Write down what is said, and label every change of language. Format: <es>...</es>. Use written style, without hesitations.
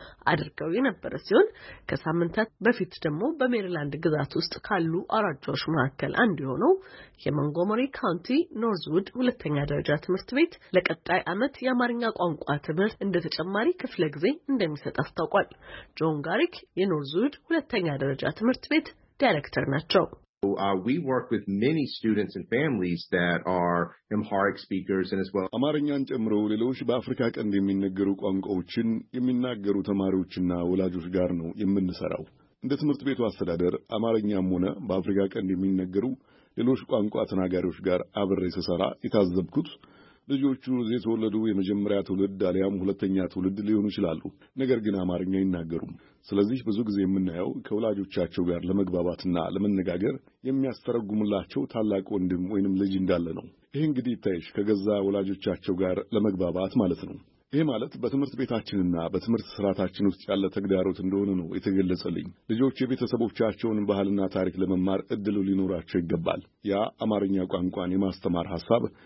<am>አድርገው የነበረ ሲሆን ከሳምንታት በፊት ደግሞ በሜሪላንድ ግዛት ውስጥ ካሉ አውራጃዎች መካከል አንዱ የሆነው የሞንጎመሪ ካውንቲ ኖርዝውድ ሁለተኛ ደረጃ ትምህርት ቤት ለቀጣይ አመት የአማርኛ ቋንቋ ትምህርት እንደ ተጨማሪ ክፍለ ጊዜ እንደሚሰጥ አስታውቋል። ጆን ጋሪክ የኖርዝውድ ሁለተኛ ደረጃ ትምህርት ቤት ዳይሬክተር ናቸው።</am> <en>We work with many students and families that are Amharic speakers and as well</en> <am>አማርኛን ጨምሮ ሌሎች በአፍሪካ ቀንድ የሚነገሩ ቋንቋዎችን የሚናገሩ ተማሪዎችና ወላጆች ጋር ነው የምንሰራው። እንደ ትምህርት ቤቱ አስተዳደር አማርኛም ሆነ በአፍሪካ ቀንድ የሚነገሩ ሌሎች ቋንቋ ተናጋሪዎች ጋር አብረን ሰራ የታዘብኩት ልጆቹ እዚህ ተወለዱ የመጀመሪያ ትውልድ አሊያም ሁለተኛ ትውልድ ሊሆኑ ይችላሉ፣ ነገር ግን አማርኛ ይናገሩም። ስለዚህ ብዙ ጊዜ የምናየው ከወላጆቻቸው ጋር ለመግባባትና ለመነጋገር የሚያስተረጉምላቸው ታላቅ ወንድም ወይንም ልጅ እንዳለ ነው። ይሄ እንግዲህ ታይሽ ከገዛ ወላጆቻቸው ጋር ለመግባባት ማለት ነው። ይሄ ማለት በትምህርት ቤታችንና በትምህርት ስርዓታችን ውስጥ ያለ ተግዳሮት እንደሆነ ነው የተገለጸልኝ። ልጆች የቤተሰቦቻቸውን ባህልና ታሪክ ለመማር እድሉ ሊኖራቸው ይገባል። ያ አማርኛ ቋንቋን የማስተማር ሐሳብ</am>